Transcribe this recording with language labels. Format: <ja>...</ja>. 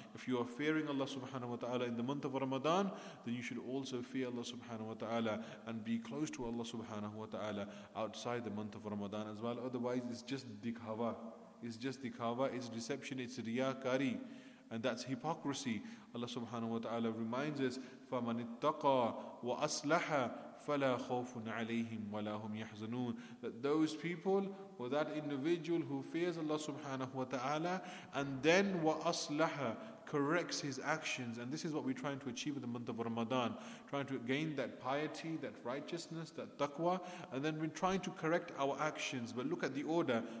<en>If you are fearing Allah subhanahu wa ta'ala in the month of Ramadan, then you should also fear Allah subhanahu wa ta'ala and be close to Allah subhanahu wa ta'ala outside the month of Ramadan as well. Otherwise, it's just dikhawa. It's just dikhawa, it's deception, it's riyakari. And that's hypocrisy. Allah subhanahu wa ta'ala reminds us,</en> <ar>فَمَنِ اتَّقَى وَأَصْلَحَ فَلَا خَوْفٌ عَلَيْهِمْ وَلَا هُمْ يَحْزَنُونَ.</ar> <en>That those people, or that individual who fears Allah subhanahu wa ta'ala, and then وَأَصْلَحَ, corrects his actions. And this is what we're trying to achieve in the month of Ramadan, trying to gain that piety, that righteousness, that taqwa, and then we're trying to correct our actions. But look at the order.</en>